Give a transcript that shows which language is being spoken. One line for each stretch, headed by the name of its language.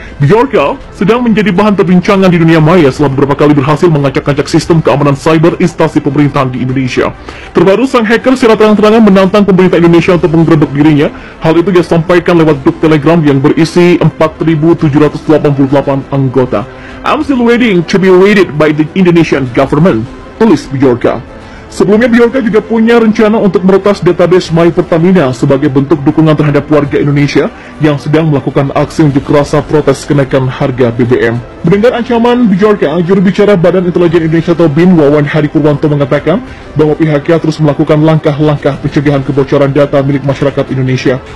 Indonesian: Bjorka sedang menjadi bahan perbincangan di dunia maya setelah beberapa kali berhasil mengacak-acak sistem keamanan cyber instansi pemerintahan di Indonesia. Terbaru, sang hacker secara terang-terangan menantang pemerintah Indonesia untuk menggerebek dirinya. Hal itu dia sampaikan lewat grup Telegram yang berisi 4.788 anggota.
English: I'm still waiting to be raided by the Indonesian government,
Indonesian: tulis Bjorka. Sebelumnya Bianca juga punya rencana untuk meretas database My Pertamina sebagai bentuk dukungan terhadap warga Indonesia yang sedang melakukan aksi unjuk rasa protes kenaikan harga BBM. Mendengar ancaman Bianca, jurubicara Badan Intelijen Indonesia atau BIN Wawan Hadi Purwanto mengatakan bahwa pihaknya terus melakukan langkah-langkah pencegahan kebocoran data milik masyarakat Indonesia.